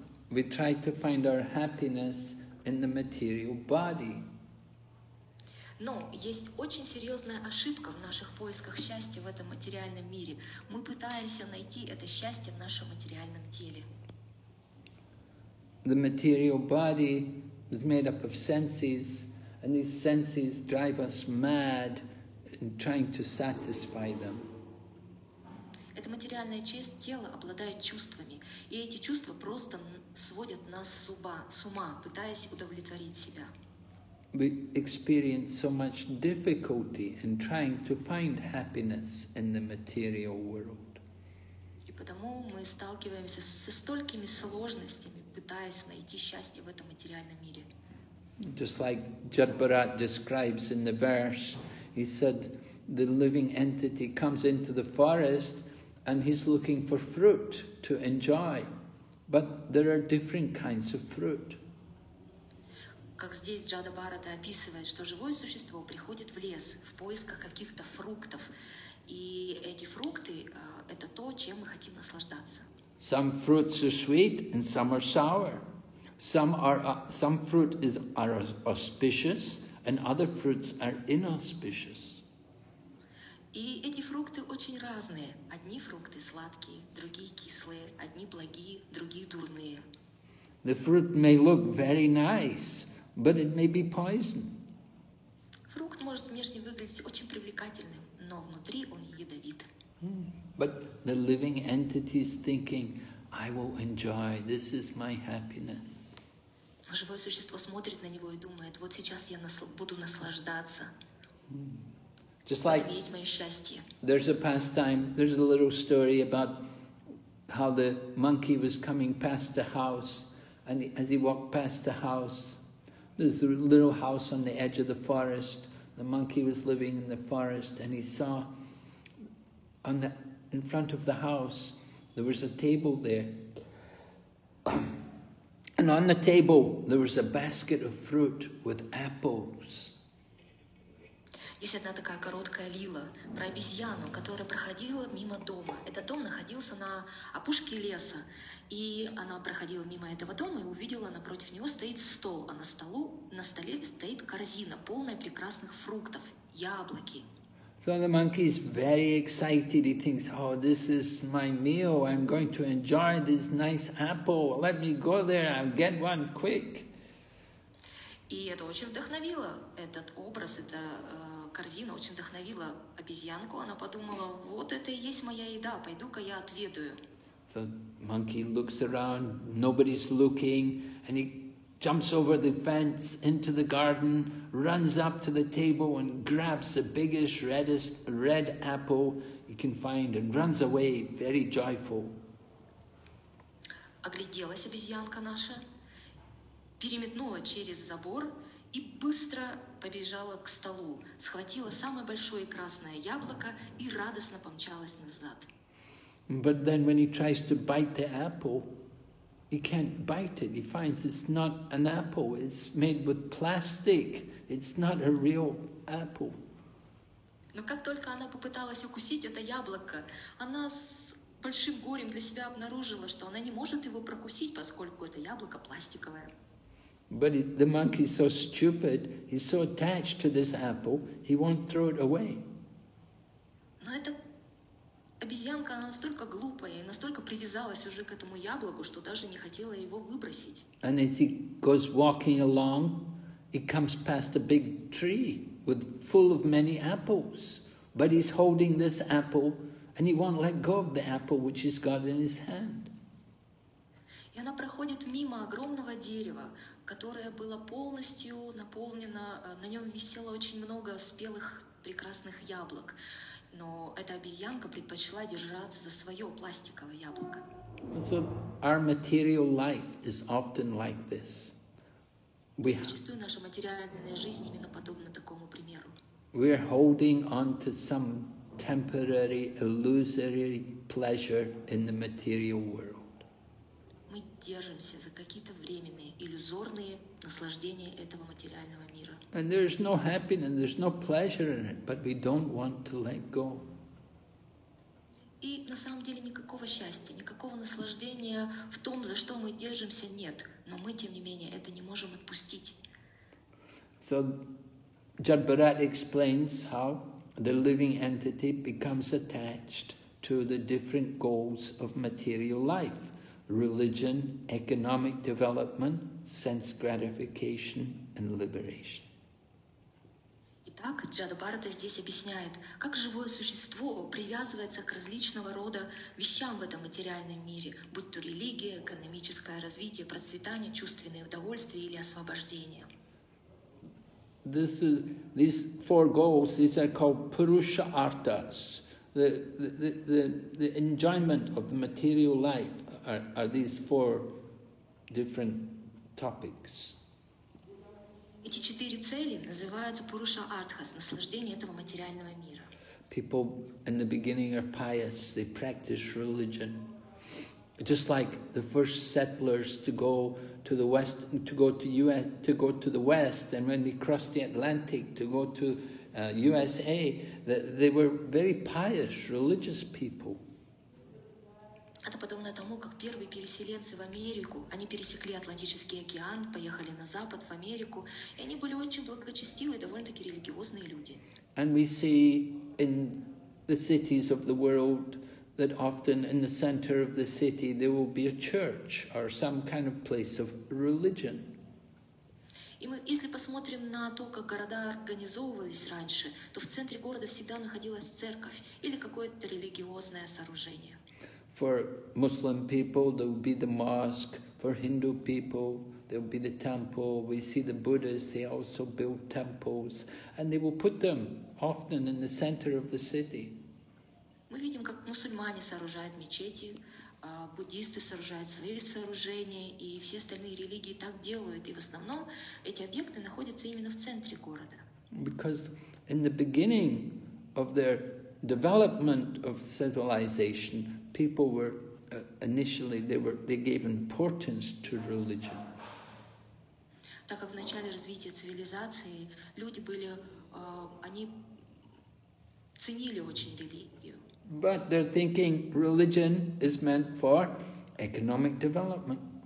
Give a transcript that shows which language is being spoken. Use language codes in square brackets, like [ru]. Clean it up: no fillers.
[en] We try to find our happiness in the material body. [ru] Но есть очень серьезная ошибка в наших поисках счастья в этом материальном мире. Мы пытаемся найти это счастье в нашем материальном теле. [en] The material body is made up of senses, and these senses drive us mad in trying to satisfy them. [ru] Это материальное часть тела обладает чувствами, и эти чувства просто сводят нас с ума, пытаясь удовлетворить себя. [en] We experience so much difficulty in trying to find happiness in the material world. [ru] И потому мы сталкиваемся со столькими сложностями, пытаясь найти счастье в этом материальном мире. [en] Just like Jad Bharat describes in the verse, he said the living entity comes into the forest and he's looking for fruit to enjoy, but there are different kinds of fruit. [ru] как здесь Джада Барата описывает, что живое существо приходит в лес в поисках каких-то фруктов, и эти фрукты это то, чем мы хотим наслаждаться. [en] Some fruits are sweet and some are sour. Some fruit are auspicious and other fruits are inauspicious. [ru] И эти фрукты очень разные. Одни фрукты сладкие, другие кислые, одни благие, другие дурные. [en] The fruit may look very nice, but it may be poison. [ru] Фрукт может внешне выглядеть очень привлекательным, но внутри он ядовит. [en] But the living entity is thinking, I will enjoy, this is my happiness. [ru] Живое существо смотрит на него и думает, вот сейчас я буду наслаждаться. [en] Just like there's a pastime, there's a little story about how the monkey was coming past the house, and as he walked past the house, there's a little house on the edge of the forest. The monkey was living in the forest, and he saw on the in front of the house there was a table there, and on the table there was a basket of fruit with apples. [ru] Есть одна такая короткая лила про обезьяну, которая проходила мимо дома. Этот дом находился на опушке леса. И она проходила мимо этого дома и увидела, напротив него стоит стол. А на столе стоит корзина, полная прекрасных фруктов, яблоки. [en] So the monkey is very excited. He thinks, oh, this is my meal. I'm going to enjoy this nice apple. Let me go there and get one quick. [ru] И это очень вдохновило этот образ, эта корзина очень вдохновила обезьянку. Она подумала, вот это и есть моя еда, пойду-ка я отведаю. [en] The monkey looks around, nobody's looking, and he jumps over the fence into the garden, runs up to the table and grabs the biggest, reddest, red apple he can find and runs away, very joyful. [ru] Огляделась обезьянка наша, переметнула через забор и быстро побежала к столу, схватила самое большое красное яблоко и радостно помчалась назад. [en] But then when he tries to bite the apple, he can't bite it. He finds it's not an apple, it's made with plastic. It's not a real apple. [ru] Но как только она попыталась укусить это яблоко, она с большим горем для себя обнаружила, что она не может его прокусить, поскольку это яблоко пластиковое. [en] But the monkey is so stupid, he's so attached to this apple, he won't throw it away. [ru] Но эта обезьянка, она настолько глупая и настолько привязалась уже к этому яблоку, что даже не хотела его выбросить. [en] And as he goes walking along, he comes past a big tree with full of many apples. But he's holding this apple and he won't let go of the apple which he's got in his hand. [ru] И она проходит мимо огромного дерева, которое было полностью наполнено, на нем висело очень много спелых прекрасных яблок. Но эта обезьянка предпочла держаться за свое пластиковое яблоко. [en] So our material life is often like this. [ru] Зачастую наша материальная жизнь именно подобна такому примеру. [en] We are holding on to some temporary illusory pleasure in the material world. [ru] Мы держимся за какие-то временные, иллюзорные наслаждения этого материального мира. [en] And there's no happiness, there's no pleasure in it, but we don't want to let go. [ru] И на самом деле никакого счастья, никакого наслаждения в том, за что мы держимся, нет. Но мы, тем не менее, это не можем отпустить. [en] So, Jad Bharat explains how the living entity becomes attached to the different goals of material life. Religion, economic development, sense gratification, and liberation. [ru] Итак, Джада Бхарата здесь объясняет, как живое существо привязывается к различного рода вещам в этом материальном мире, будь то религия, экономическое развитие, процветание, чувственное удовольствие или освобождение. [en] These four goals, these are called Purusha Arthas. The enjoyment of the material life are these four different topics. [ru] Эти четыре цели называются Пуруша Артхас, наслаждение этого материального мира. [en] People in the beginning are pious, they practice religion. Just like the first settlers to go to the west, to go to US, to go to the west, and when they crossed the Atlantic to go to USA, they were very pious, religious people. [ru] Это подобно тому, как первые переселенцы в Америку, они пересекли Атлантический океан, поехали на запад, в Америку, и они были очень благочестивые, довольно-таки религиозные люди. [en] And we see in the cities of the world that often in the center of the city there will be a church or some kind of place of religion. [ru] И мы, если посмотрим на то, как города организовывались раньше, то в центре города всегда находилась церковь или какое-то религиозное сооружение. [en] For Muslim people, there will be the mosque. For Hindu people, there will be the temple. We see the Buddhists, they also build temples. And they will put them often in the center of the city. [ru] Мы видим, как мусульмане сооружают мечети, буддисты сооружают свои сооружения, и все остальные религии так делают. И в основном эти объекты находятся именно в центре города. [en] Because in the beginning of their development of civilization, people were initially they gave importance to religion. [ru] Так как в начале развития цивилизации люди были они ценили очень религию. [en] But they're thinking religion is meant for economic development.